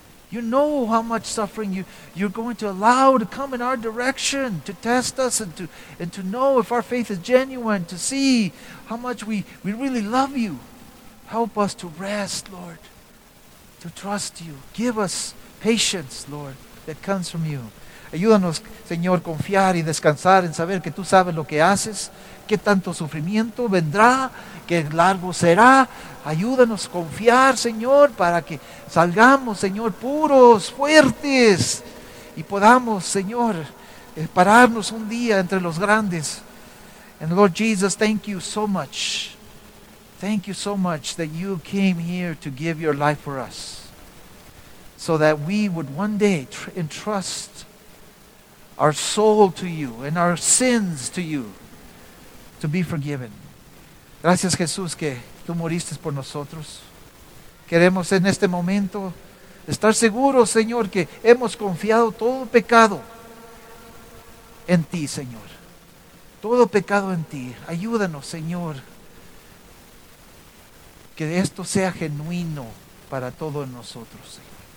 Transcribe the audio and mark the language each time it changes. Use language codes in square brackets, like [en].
[en] You know how much suffering you're going to allow to come in our direction to test us and to know if our faith is genuine, to see how much we really love you. Help us to rest, Lord, to trust you. Give us patience, Lord, that comes from you. [es] Ayúdanos, Señor, confiar y descansar en saber que tú sabes lo que haces, qué tanto sufrimiento vendrá, qué largo será. Ayúdanos a confiar, Señor, para que salgamos, Señor, puros, fuertes, y podamos, Señor, pararnos un día entre los grandes. [en] And Lord Jesus, thank you so much. Thank you so much that you came here to give your life for us, so that we would one day entrust our soul to you and our sins to you to be forgiven. [es] Gracias, Jesús, que tú moriste por nosotros. Queremos en este momento estar seguros, Señor, que hemos confiado todo pecado en ti, Señor. Todo pecado en ti. Ayúdanos, Señor, que esto sea genuino para todos nosotros, Señor.